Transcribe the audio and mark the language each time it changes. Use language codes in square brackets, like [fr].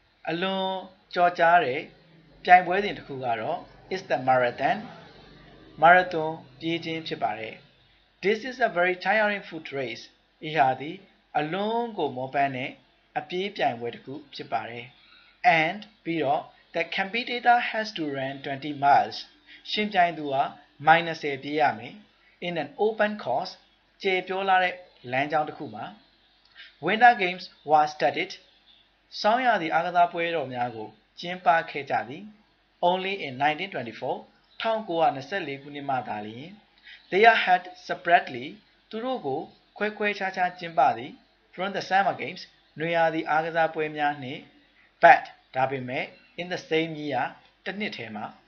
[my] အလွန်ကြော်ကြားတဲ့ပြိုင်ပွဲစဉ်တစ်ခုကတော့ [en] is the marathon marathon [my] ပြေးခြင်းဖြစ်ပါတယ် [en] This is a very tiring foot race [my] ဒီဟာဒီအလွန်ကိုမောပန်းတဲ့အပြေးပြိုင်ပွဲတစ်ခုဖြစ်ပါတယ် and ပြီးတော့ [en] The competitor has to run 20 miles. [my] ရှင်ပြိုင်သူဟာမိုင်20ပြေးရမယ်. [en] In an open course, [my] ကျေပြောလာတဲ့လမ်းကြောင်းတစ်ခုမှာ. [en] Winter games were studied. [my] ဆောင်းရာသီအားကစားပွဲတော်များကိုကျင်းပခဲ့ကြသည်. [en] Only in 1924, [my] 1924ခုနှစ်မှသာလျှင် [en] They had separately [my] သူတို့ကိုခွဲခွဲခြားခြားကျင်းပသည် [en] from the summer games, [my] နွေရာသီအားကစားပွဲများနှင့် [en] but [my] ဒါပေမဲ့ [en] In the same year, [my] တနှစ်ထဲမှာ